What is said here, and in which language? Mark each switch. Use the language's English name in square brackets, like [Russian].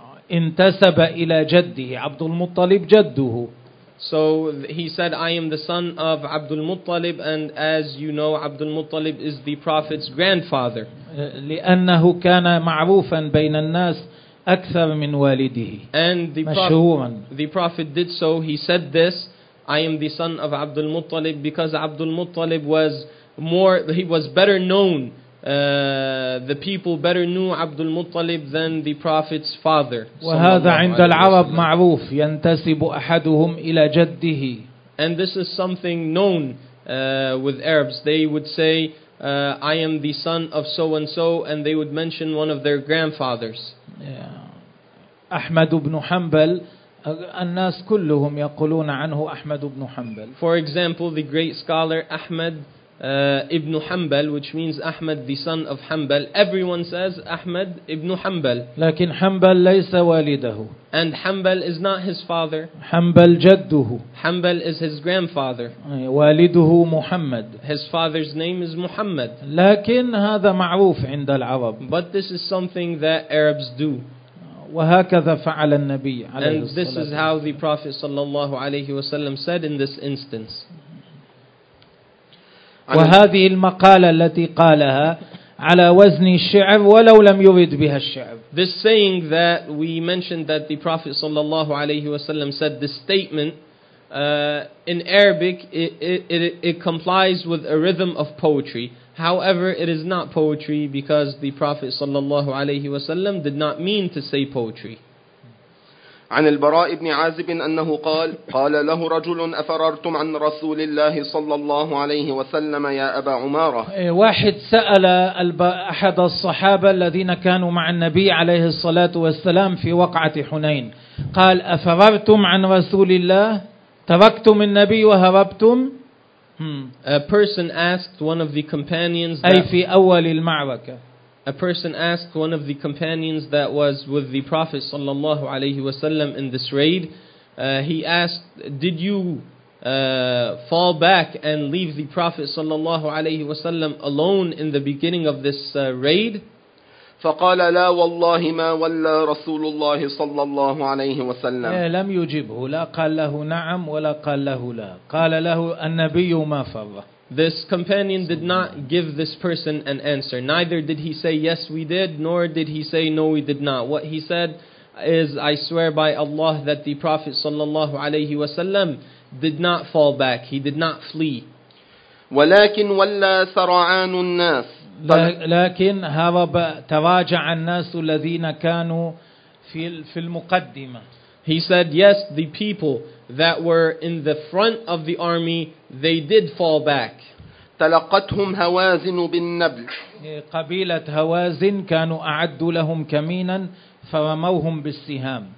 [Arabic] انتسب إلى جده عبد المطلب جده. [English] So he said, I am the son of Abdul Muttalib, and as you know, Abdul Muttalib is the Prophet's grandfather. [Arabic] لأنه كان معروفا بين الناس أكثر من والده. [English] And the Prophet did so. He said this, I am the son of Abdul Muttalib, because Abdul Muttalib was better known, the people better knew Abdul Muttalib than the Prophet's father. [Arabic] وهذا عند العرب معروف ينتسب أحدهم إلى جده. [English] And this is something known with Arabs. They would say, I am the son of so and so, and they would mention one of their grandfathers. [Arabic] أحمد بن حنبل, الناس كلهم يقولون عنه أحمد بن حنبل. [English] For example, the great scholar Ahmad ibn Hanbal, which means Ahmad the son of Hanbal, everyone says Ahmad ibn Hanbal. [Arabic] لكن Hanbal ليس والده. [English] And Hanbal is not his father. [Arabic] Hanbal جده. [English] Hanbal is his grandfather. [Arabic] والده محمد. [English] His father's name is Muhammad. [Arabic] لكن هذا معروف عند العرب. [English] But this is something that Arabs do. [Arabic] وهكذا فعل النبي عليه الصلاة. [English] And this is how the Prophet [Arabic] صلى الله عليه وسلم [English] said in this instance. وهذه المقالة التي قالها على وزن الشعر ولو لم يرد بها الشعر. This saying that we mentioned that the Prophet [Arabic] صلى الله عليه وسلم [English] said this statement in Arabic, it complies with a rhythm of poetry. However, it is not poetry because the Prophet [Arabic] صلى الله عليه وسلم [English] did not mean to say poetry. [Arabic] عن البراء بن عازب أنه قال قال له رجل أفررتم عن رسول الله صلى الله عليه وسلم يا أبا عمارة. واحد سأل أحد الصحابة الذين كانوا مع النبي عليه الصلاة والسلام في وقعة حنين, قال أفررتم عن رسول الله, تركتم النبي وهربتم. [English] A person asked one of the companions, [Arabic] أي في أول المعركة. [English] A person asked one of the companions that was with the Prophet sallallahu alayhi wasallam in this raid, he asked, did you fall back and leave the Prophet sallallahu alayhi wasallam alone in the beginning of this raid? [Arabic] فقال لا والله ما ولا رسول الله صلى الله عليه وسلم. لم يجبه, لا قال له نعم ولا قال له لا, قال له النبي ما فر. [English] This companion did not give this person an answer. Neither did he say, yes, we did, nor did he say, no, we did not. What he said is, I swear by Allah that the Prophet sallallahu alayhi wasallam did not fall back. He did not flee. [Arabic] ولكن ولا سرعان الناس. لكن هرب تراجع الناس الذين كانوا في المقدمة. [English] He said, yes, the people that were in the front of the army, they did fall back. [Arabic] تلقتهم هوازن بالنبل. قبيلة هوازن كانوا أعدوا لهم كمينا فرموهم بالسهام.